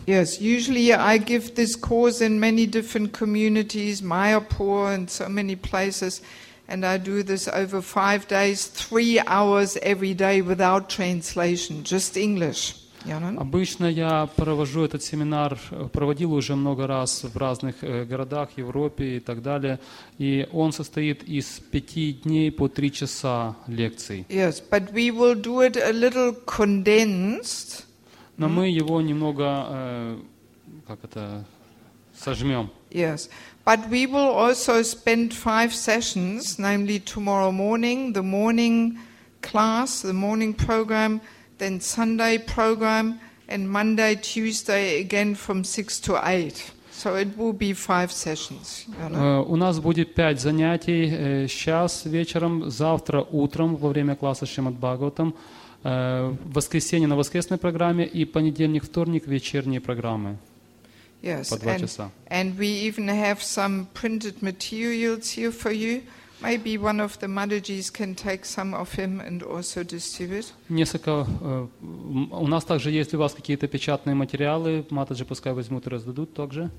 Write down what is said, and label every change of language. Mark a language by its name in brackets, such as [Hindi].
[English] Yes, usually I give this course in many different communities, Mayapur and so many places. And I do this over 5 days, 3 hours every day without translation, just English. [Russian] Обычно я провожу этот семинар, проводил уже много раз в разных городах, Европе и так далее. И он состоит из 5 дней по 3 часа лекций. [English] Yes, but we will do it a little condensed. [Russian] Но мы его немного, как это, сожмем. [English] Yes. But we will also spend 5 sessions, namely tomorrow morning, the morning class, the morning program, then Sunday program, and Monday, Tuesday again from 6 to 8. So it will be 5 sessions. [Russian] У нас будет 5 занятий сейчас вечером, завтра утром во время класса Шримад-Бхагаватам, в воскресенье на воскресной программе и понедельник-вторник вечерние программы. [English] Yes, and we even have some printed materials here for you. Maybe one of the Madhujis can take some of him and also distribute. [Russian] Несколько у нас также есть у вас какие-то печатные материалы. Матаджи пускай возьмут и раздадут также.